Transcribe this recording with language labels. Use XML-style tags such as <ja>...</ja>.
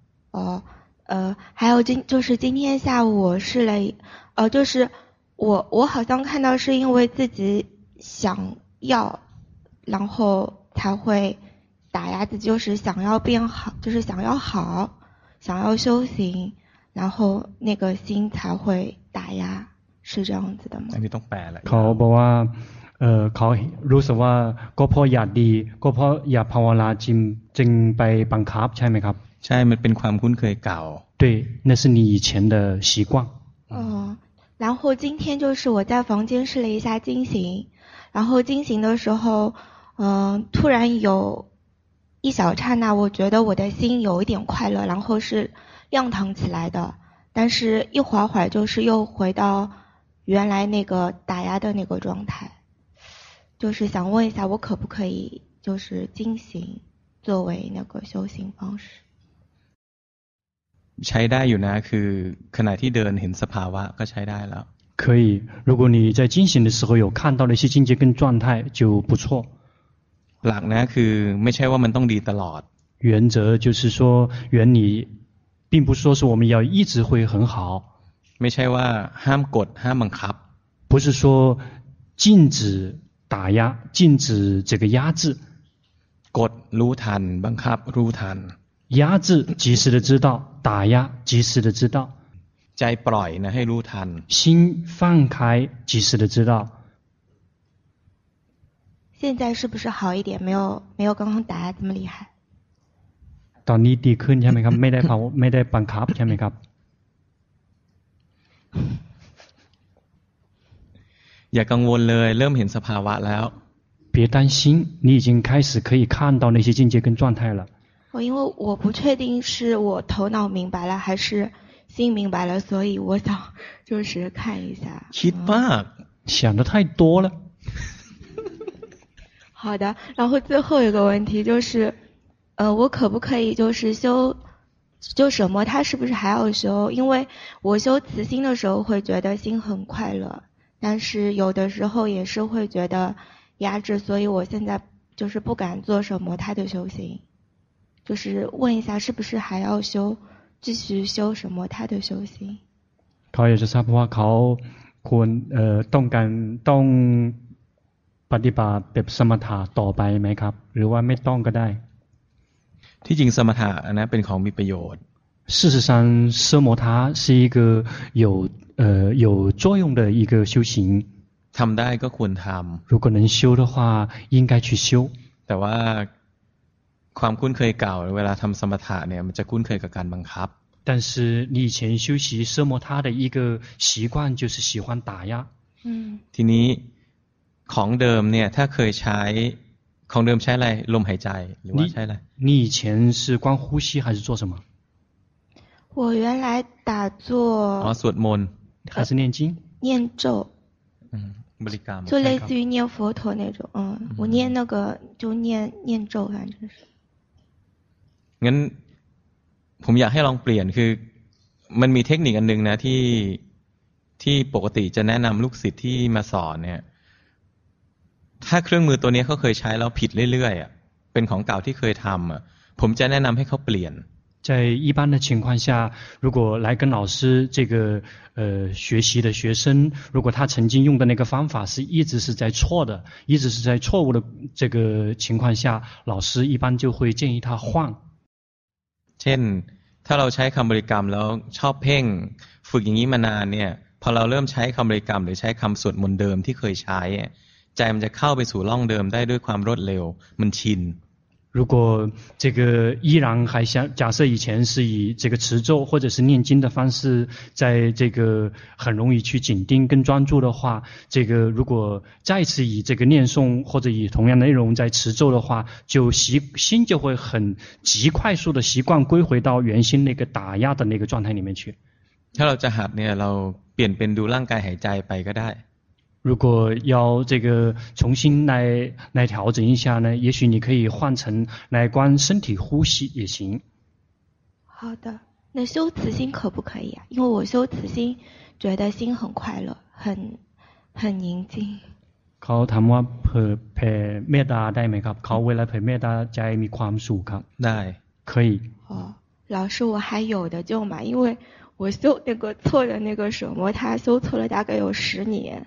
<zh>哦，还有今天下午我试了，就是我好像看到是因为自己想。要然后才会打压自己就是想要变好就是想要好想要修行然后那个心才会打压是这样子的吗你都白了</zh> <th>เขาบอกว่าเขารู้สึกว่าก็เพราะอยากดีก็เพราะอยากภาวนาจึงไปบังคับใช่ไหมครับ ใช่มันเป็นความคุ้นเคยเก่า</th> <zh>对那是你以前的习惯然后今天就是我在房间试了一下静行然后进行的时候突然有一小刹那我觉得我的心有一点快乐然后是亮堂起来的但是一会儿会儿就是又回到原来那个打压的那个状态就是想问一下我可不可以就是进行作为那个修行方式</zh> <th>ใช้ได้อยู่นะคือขณะที่เดินเห็นสภาวะก็ใช้ได้แล้ว</th> <zh>可以，如果你在进行的时候有看到的一些境界跟状态就不错。</zh> <th>หลักนะคือไม่ใช่ว่ามันต้องดีตลอด。</th> <zh>原则就是说原理，并不说是我们要一直会很好。</zh> <th>ไม่ใช่ว่าห้ามกดห้ามบังคับ。</th> <zh>不是说禁止打压，禁止这个压制。</zh> <th>กดรู้ทันบังคับรู้ทัน。</th> <zh>压制及时的知道，打压及时的知道。</zh> <th>ใจปล่อยนะให้รู้ทัน</th> <zh>心放开及时的知道现在是不是好一点没有刚刚打压这么厉害</zh> <th>ตอนนี้ดีขึ้นใช่ไหมครับไม่ได้เขาไม่ได้บังคับใช่ไหมครับ อย่ากังวลเลยเริ่มเห็นสภาวะแล้ว</th> <zh>别担心你已经开始可以看到那些境界跟状态了我因为我不确定是我头脑明白了还是心明白了所以我想就是看一下</zh> <th>คิดมาก</th> <zh>想的太多了好的然后最后一个问题就是我可不可以就是修就什么他是不是还要修因为我修慈心的时候会觉得心很快乐但是有的时候也是会觉得压制所以我现在就是不敢做什么他的修行就是问一下是不是还要修继续修什么他的修行</zh> <th>เขาอยากจะทราบว่าเขาควรต้องการต้องปฏิบัติแบบสมถะต่อไปไหมครับหรือว่าไม่ต้องก็ได้ ที่จริงสมถะนะเป็นของมีประโยชน์</th> <zh>事实上奢摩他是一个有有作用的一个修行</zh> <th>ทำได้ก็ควรทำ</th> <zh>如果能修的话应该去修</zh> <th>แต่ว่าความคุ้นเคยเก่าเวลาทำสมถะเนี่ยมันจะคุ้นเคยกับการบังคับ</th> <zh>但是你以前修习奢摩他的一个习惯就是喜欢打压</zh> <th>ทีนี้ของเดิมเนี่ยถ้าเคยใช้ของเดิมใช้อะไรลมหายใจหรือว่าใช้อะไร</th> <zh>你以前是光呼吸还是做什么我原来打坐</zh> <th>สวดมนต์</th> <zh>还是念经念咒</zh> <th>บริกรรม</th> <zh>就类似于念佛陀那种我念那个就念咒反正是</zh> <th>งั้นผมอยากให้ลองเปลี่ยนคือมันมีเทคนิคอันนึงนะที่ปกติจะแนะนำลูกศิษย์ที่มาสอนเนี่ยถ้าเครื่องมือตัวนี้เขาเคยใช้แล้วผิดเรื่อยๆอ่ะเป็นของเก่าที่เคยทำอ่ะผมจะแนะนำให้เขาเปลี่ยน</th> <zh>在一般的情况下，如果来跟老师这个学习的学生，如果他曾经用的那个方法是一直是在错的，一直是在错误的这个情况下，老师一般就会建议他换。</zh> <th>เช่นถ้าเราใช้คำบริกรรมแล้วชอบเพ่งฝึกอย่างนี้มานานเนี่ยพอเราเริ่มใช้คำบริกรรมหรือใช้คำสวดมนต์เดิมที่เคยใช้ใจมันจะเข้าไปสู่ร่องเดิมได้ด้วยความรวดเร็วมันชิน</th> <zh>如果这个依然还想假设以前是以这个持咒或者是念经的方式在这个很容易去紧盯跟专注的话这个如果再次以这个念诵或者以同样内容在持咒的话就心就会很极快速的习惯归回到原先那个打压的那个状态里面去</zh> <th>ถ้าเราจะหัดเนี่ยเราเปลี่ยนเป็นดูร่างกายหายใจไปก็ได้</th> <zh>如果要这个重新来调整一下呢，也许你可以换成来观身体呼吸也行。好的，那修慈心可不可以啊？因为我修慈心，觉得心很快乐，很宁静。</zh> <th>เขาถามว่าเผยเมตตาได้ไหมครับ？เขาเวลาเผยเมตตาใจมีความสุขครับ？ ได้，</th> <zh>可以。哦，老师，我还有的救嘛？因为我修那个错的那个什么，他修错了大概有10年。</zh>